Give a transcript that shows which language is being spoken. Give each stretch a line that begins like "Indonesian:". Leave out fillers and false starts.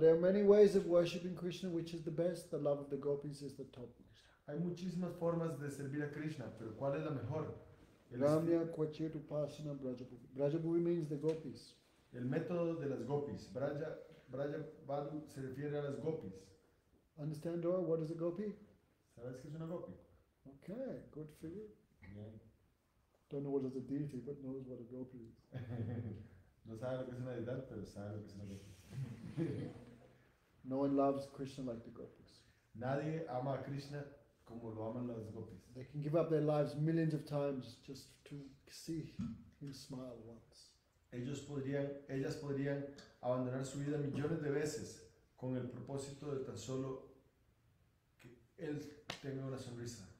English: There are many ways of worshipping Krishna, which is the best. The love of the gopis is the topmost.
Spanish: Hay muchísimas formas de servir a Krishna, pero ¿cuál es la mejor?
English: Ramya, Kwachit, Upasana, Brajabhuvi. Brajabhuvi means the gopis.
Spanish: El método de las gopis. Braja Badu se refiere a las gopis.
English: Understand, Dora? What is a gopi?
Spanish: ¿Sabes qué es una gopi?
English: Okay, good for you. Yeah. Don't know what is a deity, but knows what a gopi is.
Spanish: No sabe lo que es una deidad, pero sabe lo que es una gopi.
English: No one loves Krishna like the gopis.
Spanish: Nadie ama a Krishna como lo aman las gopis.
English: They can give up their lives millions of times just to see him smile once.
Spanish: Ellas podrían abandonar su vida millones de veces con el propósito de tan solo que él tenga una sonrisa.